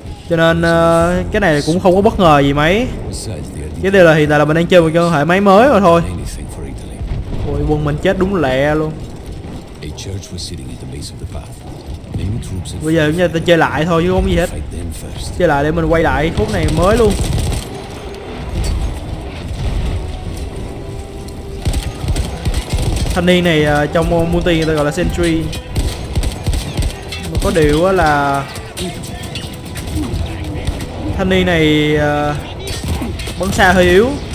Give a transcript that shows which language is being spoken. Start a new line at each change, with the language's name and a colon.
Vietnamese: Cho nên cái này cũng không có bất ngờ gì mấy. Cái điều là hiện tại là mình đang chơi một cái hệ máy mới mà thôi. Ôi, quân mình chết đúng lẹ luôn.
English: Church was sitting at the base of the path. Many troops.
Vietnamese: Bây giờ chúng ta chơi lại thôi chứ không gì hết. Chơi lại để mình quay lại khúc này mới luôn. Thanh niên này trong multi người ta gọi là Sentry. Mà có điều là thanh niên này bắn xa hơi yếu.